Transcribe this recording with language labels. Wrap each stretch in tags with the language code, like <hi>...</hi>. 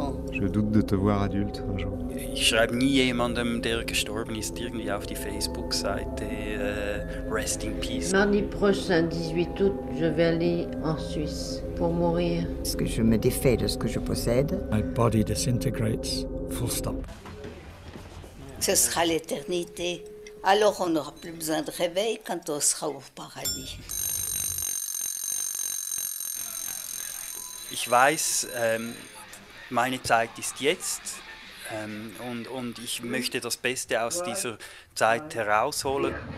<fr>Je doute de te voir adulte un jour.</fr> <de>Ich schreibe nie jemandem, der gestorben ist, irgendwie auf die Facebook-Seite</de> <en>Rest in Peace.</en> <fr>Mardi prochain, 18 août, je vais aller en Suisse pour mourir. Est-ce que je me défais de ce que je possède?</fr> <en>My body disintegrates, full stop.</en> <fr>Ce sera l'éternité. Alors on n'aura plus besoin de réveil quand on sera au paradis.</fr> <de>Ich weiß, meine Zeit ist jetzt und ich möchte das Beste aus dieser Zeit herausholen.</de>